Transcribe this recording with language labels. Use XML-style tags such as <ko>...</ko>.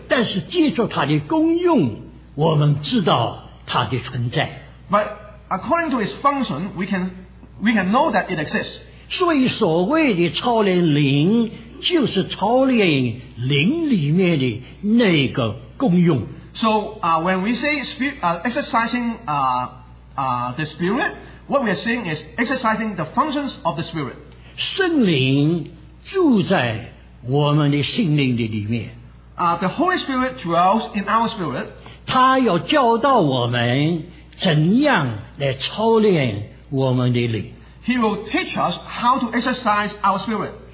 <zh>但是借助它的功用，我们知道它的存在。</zh> <en>But according to its function, we can We can know that it exists.</en> <zh>所以所谓的操练灵, 就是操练灵里面的那个功用。</zh> <en>So when we say spirit, exercising the spirit, what we are saying is exercising the functions of the spirit.</en> <zh>圣灵住在我们的心灵的里面。</zh> <en>The Holy Spirit dwells in our spirit.</en> <zh>他要教导我们怎样来操练我们的灵。</zh> <en>He will teach us how to exercise our spirit.</en>